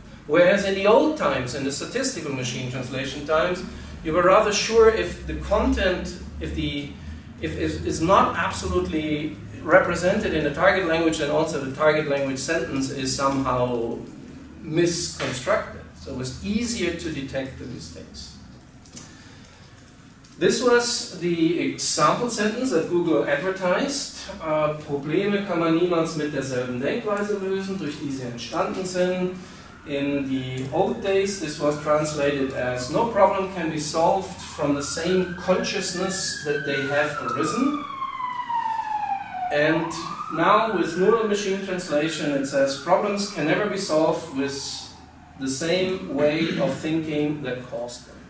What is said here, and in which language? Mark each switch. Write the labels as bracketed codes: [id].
[en] Whereas in the old times, in the statistical machine translation times, you were rather sure if the content, if is not absolutely represented in the target language, then also the target language sentence is somehow misconstructed. So it was easier to detect the mistakes. This was the example sentence that Google advertised. [de] Probleme kann man niemals mit derselben Denkweise lösen, durch die sie entstanden sind. [en] In the old days, this was translated as no problem can be solved from the same consciousness that they have arisen. And now with neural machine translation, it says problems can never be solved with the same way of thinking that caused them.